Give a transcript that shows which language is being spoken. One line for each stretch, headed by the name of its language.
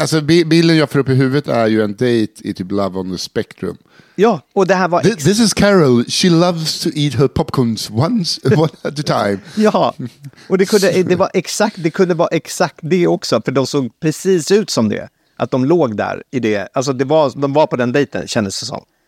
Swedish: alltså, bilden jag får upp i huvudet är ju en date i typ Love on the Spectrum. Ja, och det här var...
English: This is Carol. She loves to eat her popcorns one at a time.
Swedish: Ja, och det kunde vara exakt det också. För de såg precis ut som det. Att de låg där i det. Alltså, det var, de var på den dejten, kändes det som.